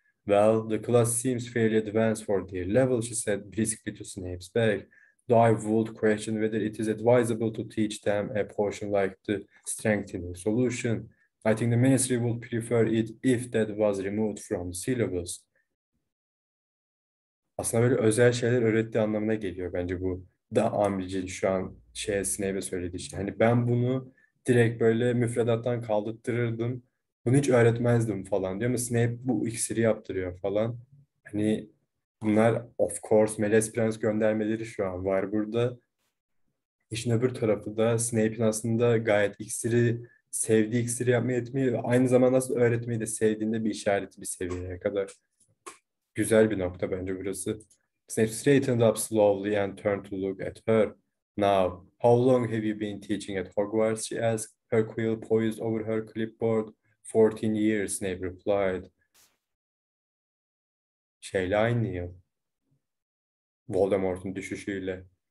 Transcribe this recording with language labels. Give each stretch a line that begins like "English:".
English: Well, the class seems fairly advanced for their level, she said briskly to Snape's back. Though I would question whether it is advisable to teach them a potion like the strengthening solution. I think the ministry would prefer it if that was removed from the syllabus.
Turkish: Aslında böyle özel şeyler öğretti anlamına geliyor bence bu. Da Umbridge'in şu an şeye Snape'e söylediği şey. Hani ben bunu direkt böyle müfredattan kaldırtırdım. Bunu hiç öğretmezdim falan diyor ama Snape bu iksiri yaptırıyor falan. Hani bunlar
English: of course
Turkish: Melez Prens göndermeleri şu an var burada. İşin öbür tarafı da Snape'in aslında gayet iksiri sevdiği iksiri yapmayı etmeyi ve aynı zamanda nasıl öğretmeyi de sevdiğinde bir işareti bir seviyeye kadar. Güzel bir nokta bence burası.
English: Snape straightened up slowly and turned to look at her. Now, how long have you been teaching at Hogwarts? She asked, her quill poised over her clipboard. 14 years, Snape replied.
Turkish: Şeyle aynı yıl. Voldemort'un düşüşüyle.